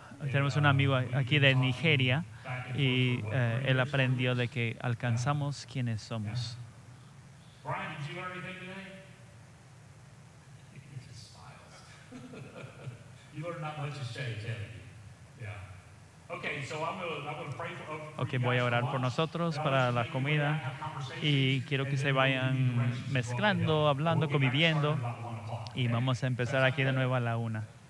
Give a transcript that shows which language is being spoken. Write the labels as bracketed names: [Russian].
[Spanish] Tenemos un amigo aquí de Nigeria y él aprendió de que alcanzamos quienes somos. [English] Brian, did you learn anything today? He just smiles. You learned not much has changed, haven't you? Yeah. Okay, so I'm gonna pray for you guys. [Spanish] Okay, voy a orar por nosotros para la comida y quiero que se vayan mezclando, hablando, conviviendo y vamos a empezar aquí de nuevo a la una.